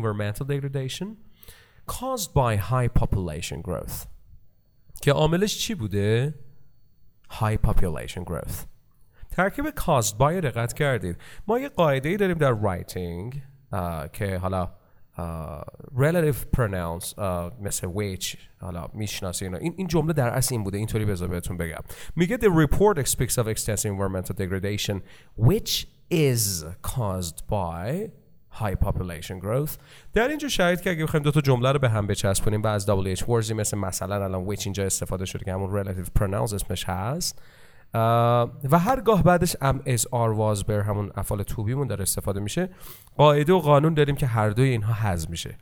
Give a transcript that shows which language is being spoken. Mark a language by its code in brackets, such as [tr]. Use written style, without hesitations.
[en] Environmental degradation caused by high population growth، [fa] که عاملش چی بوده؟ [en] High population growth. [fa] ترکیب [en] caused by [fa] دقت کردید. ما یه قاعده‌ای داریم در writing که حالا relative pronouns مثل which حالا میشناسی اینا. این جمله در اصل این بوده، اینطوری بذار بهتون بگم. میگه [en] the report speaks of extensive environmental degradation which is caused by high population growth. [fa] در اینجا شاید که اگه بخوایم دو تا جمله رو به هم بچسبونیم و از WH words مثل مثلا الان which اینجا استفاده شده که همون relative pronouns اسمش هست، و هرگاه بعدش ام از آر واز بر همون افعال توبیمون داره استفاده میشه، قاعده و قانون داریم که هر دوی اینها حذف میشه.